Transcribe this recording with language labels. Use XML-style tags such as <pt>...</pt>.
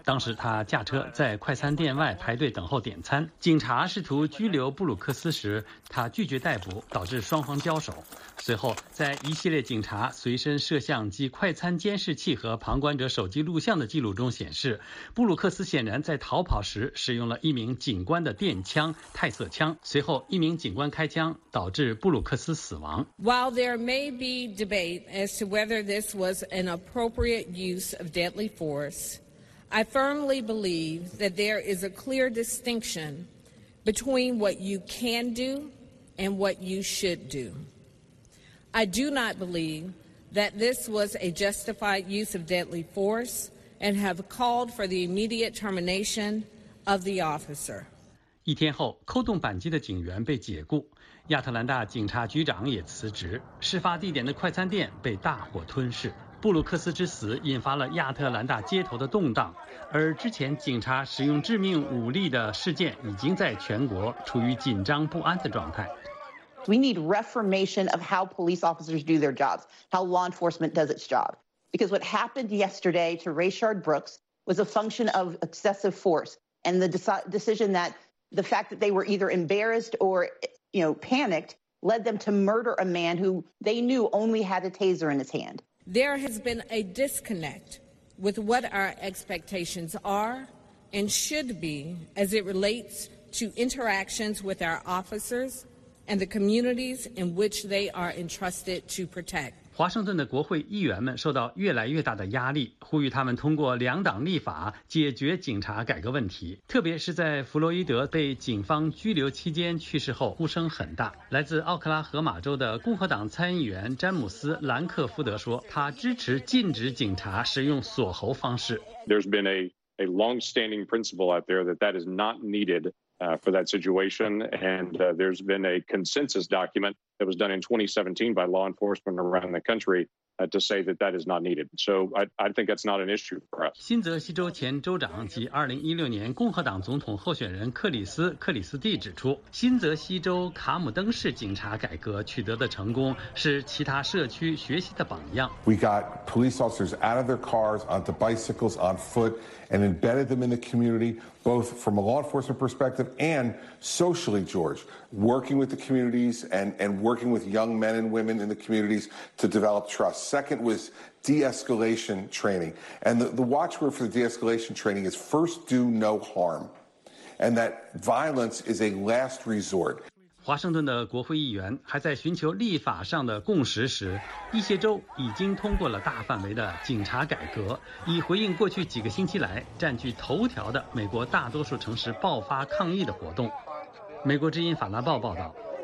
<zh>当时他驾车在快餐店外排队等候点餐，警察试图拘留布鲁克斯时，他拒绝逮捕，导致双方交手。随后，在一系列警察随身摄像机、快餐监视器和旁观者手机录像的记录中显示，布鲁克斯显然在逃跑时使用了一名警官的电枪——泰瑟枪。随后，一名警官开枪，导致布鲁克斯死亡。</zh> <en>While there may be debate as to whether this was an appropriate use of deadly force, I firmly believe that there is a clear distinction between what you can do and what you should do. I do not believe that this was a justified use of deadly force and have called for the immediate termination of the officer.</en> <zh>一天后，扣动扳机的警员被解雇，亚特兰大警察局长也辞职，事发地点的快餐店被大火吞噬。布鲁克斯之死引发了亚特兰大街头的动荡，而之前警察使用致命武力的事件已经在全国处于紧张不安的状态。</zh> <en>We need reformation of how police officers do their jobs, how law enforcement does its job. Because what happened yesterday to Rayshard Brooks was a function of excessive force and the decision that the fact that they were either embarrassed or, you know, panicked led them to murder a man who they knew only had a taser in his hand. There has been a disconnect with what our expectations are and should be as it relates to interactions with our officers. And the communities in which they are entrusted to protect.</en> <zh>华盛顿的国会议员们受到越来越大的压力，呼吁他们通过两党立法解决警察改革问题。特别是在弗洛伊德被警方拘留期间去世后，呼声很大。来自奥克拉荷马州的共和党参议员詹姆斯·兰克福德说，他支持禁止警察使用锁喉方式。</zh> <en>There's been a long-standing principle out there that is not needed.For that situation, and there's been a consensus document that was done in 2017 by law enforcement around the country to say that that is not needed. So I think that's not an issue for us.</en> <zh>新泽西州前州长及2016年共和党总统候选人克里斯·克里斯蒂指出，新泽西州卡姆登市警察改革取得的成功是其他社区学习的榜样。</zh> <en>We got police officers out of their cars, onto bicycles, on foot, and embedded them in the community, both from a law enforcement perspective and socially, George, working with the communities and working with young men and women in the communities to develop trust. Second was de-escalation training. And the watchword for the de-escalation training is first do no harm, and that violence is a last resort.</en> <zh>华盛顿的国会议员还在寻求立法上的共识时，一些州已经通过了大范围的警察改革，以回应过去几个星期来占据头条的美国大多数城市爆发抗议的活动。美国之音法拉报报道。</zh>